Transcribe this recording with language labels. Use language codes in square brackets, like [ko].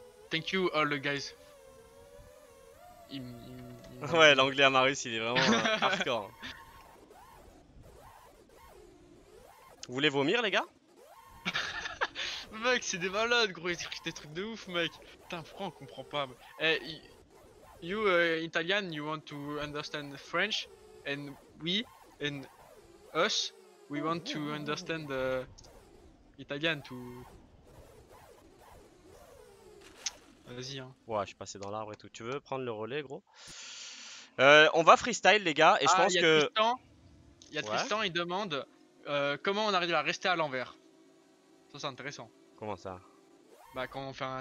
[en] Thank you all the guys. [fr] Il m'a Ouais, l'anglais à Marius, il est vraiment hardcore. Vous voulez vomir, les gars? Mec, c'est des malades, gros. Ils écrivent des trucs de ouf, mec. Putain, pourquoi on comprend pas? [en] Hey, you, Italian, you want to understand French? And we, and us, we want to understand Italian to. [fr] Vas-y, hein. Ouais, je suis passé dans l'arbre et tout. Tu veux prendre le relais, gros? On va freestyle, les gars, et je Ah, pense que. il y a Ouais. Tristan, il demande comment on arrive à rester à l'envers. Ça, c'est intéressant. Comment ça? Bah, quand on fait un